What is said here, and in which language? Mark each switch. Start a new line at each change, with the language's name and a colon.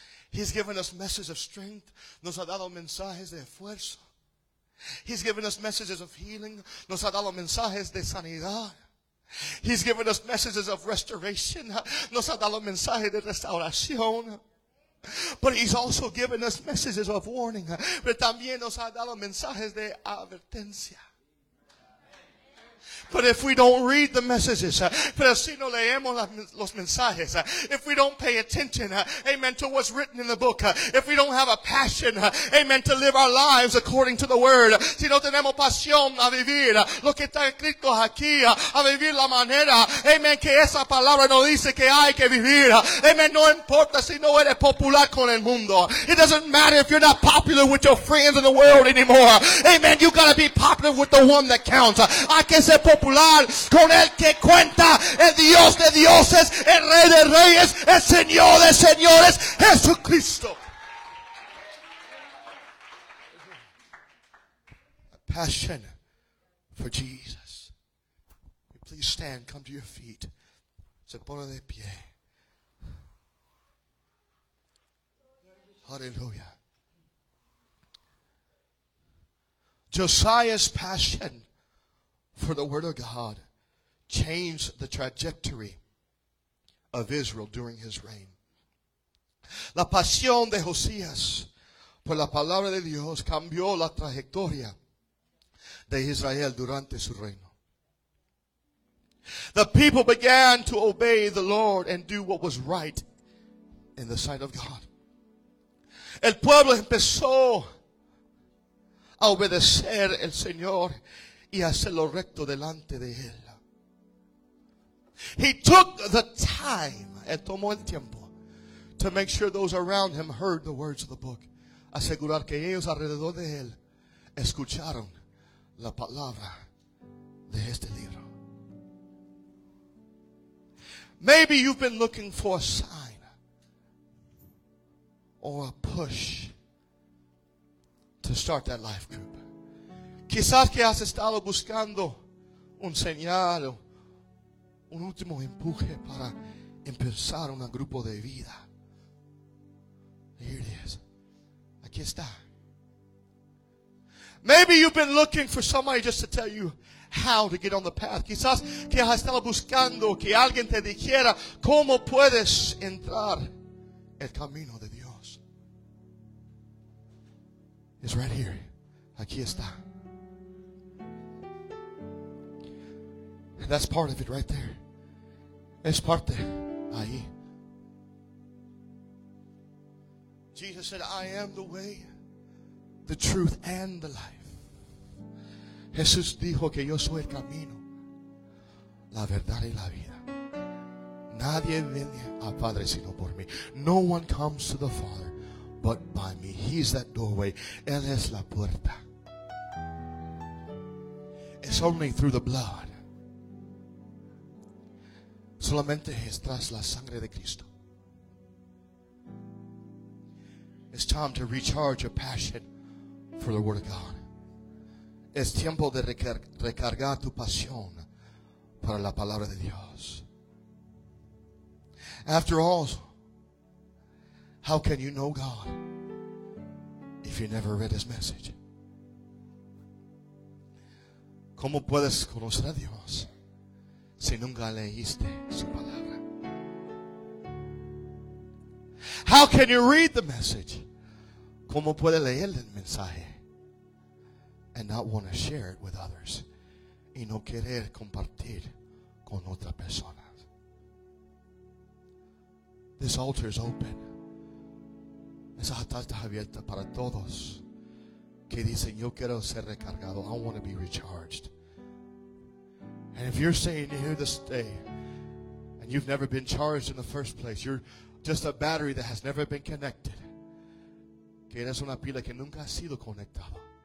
English: He's given us messages of strength.
Spanish: Nos ha dado mensajes de esfuerzo.
English: He's given us messages of healing.
Spanish: Nos ha dado mensajes de sanidad.
English: He's given us messages of restoration.
Spanish: Nos ha dado mensajes de restauración.
English: But he's also given us messages of warning.
Spanish: Pero también nos ha dado mensajes de advertencia.
English: But if we don't read the messages,
Spanish: pero si no leemos los mensajes,
English: if we don't pay attention, amen, to what's written in the book, if we don't have a passion, amen, to live our lives according to the word,
Spanish: si no tenemos pasión a vivir lo que está escrito aquí, a vivir la manera, amen, que esa palabra nos dice que hay que vivir, amen, no importa si no eres popular con el mundo.
English: It doesn't matter if you're not popular with your friends in the world anymore. Amen, you gotta be popular with the one that counts.
Spanish: Hay que ser popular con el que cuenta, el Dios de dioses, el Rey de reyes, el Señor de señores, Jesucristo.
English: A passion for Jesus. please stand, come to your feet.
Spanish: Se pone de pie. Hallelujah.
English: Josiah's passion for the word of God changed the trajectory of Israel during his reign.
Spanish: La pasión de Josías por la palabra de Dios cambió la trayectoria de Israel durante su reino.
English: The people began to obey the Lord and do what was right in the sight of God.
Spanish: El pueblo empezó a obedecer al Señor y hacer lo recto delante de él.
English: He took the time,
Spanish: él tomó el tiempo,
English: to make sure those around him heard the words of the book.
Spanish: Asegurar que ellos alrededor de él escucharon la palabra de este libro.
English: Maybe you've been looking for a sign or a push to start that life group.
Spanish: Quizás que has estado buscando un señal, un último empuje para empezar un grupo de vida.
English: Here it is.
Spanish: Aquí está.
English: Maybe you've been looking for somebody just to tell you how to get on the path.
Spanish: Quizás que has estado buscando que alguien te dijera cómo puedes entrar el camino de Dios.
English: It's right here.
Spanish: Aquí está.
English: And that's part of it right there.
Spanish: Es parte ahí.
English: Jesus said, I am the way, the truth, and the life.
Spanish: Jesús dijo que yo soy el camino, la verdad y la vida. Nadie viene al Padre sino por mí.
English: No one comes to the Father but by me. He is that doorway.
Spanish: Él es la puerta.
English: It's only through the blood.
Spanish: Solamente es tras la sangre de Cristo.
English: It's time to recharge your passion for the Word of God.
Spanish: Es tiempo de recargar tu pasión para la palabra de Dios.
English: After all, how can you know God if you never read His message?
Spanish: ¿Cómo puedes conocer a Dios si nunca leíste su palabra?
English: How can you read the message?
Spanish: ¿Cómo puede leer el mensaje
English: and not want to share it with others?
Spanish: Y no querer compartir con otras personas.
English: This altar is open.
Spanish: Esa altar está abierta para todos que dicen, yo quiero ser recargado.
English: I want to be recharged. And if you're staying here this day and you've never been charged in the first place, you're just a battery that has never been connected.
Spanish: Que eres una pila que nunca ha sido conectado.